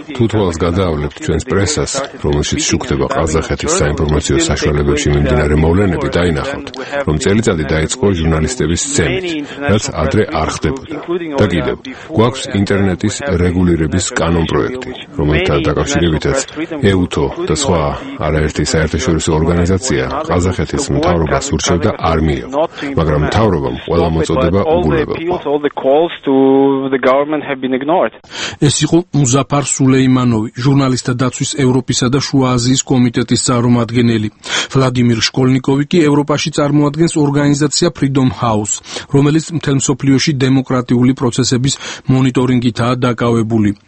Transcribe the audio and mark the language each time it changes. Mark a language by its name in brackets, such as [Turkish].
[Georgian] თუ თვალს გადაავლებთ ჩვენს პრესას, რომელშიც შუქდება ყაზახეთის საინფორმაციო საშუალებებში მიმდინარე მოვლენები, დაინახავთ, რომ წელიწადი დაიწყო ჟურნალისტების სცენით, რაც ადრე არ ხდებოდა. და კიდევ, გვაქვს ინტერნეტის რეგულირების კანონპროექტი, რომელთან დაკავშირებითაც ეუთო და სხვა არაერთი საერთაშორისო ორგანიზაცია ყაზახეთის მთავრობას ურჩევდა არ მიეღო, მაგრამ მთავრობამ ყველა მოწოდება უგულებელყო. [English] Calls to the government have been ignored. [Georgian] ეს იყო მუზაფარ სულეიმანოვი, ჟურნალისტთა დაცვის ევროპისა და შუა აზიის კომიტეტის წარმომადგენელი. ვლადიმირ შკოლნიკოვი კი ევროპაში წარმოადგენს ორგანიზაცია Freedom House, რომელიც მთელ მსოფლიოში დემოკრატიული პროცესების მონიტორინგითაა დაკავებული.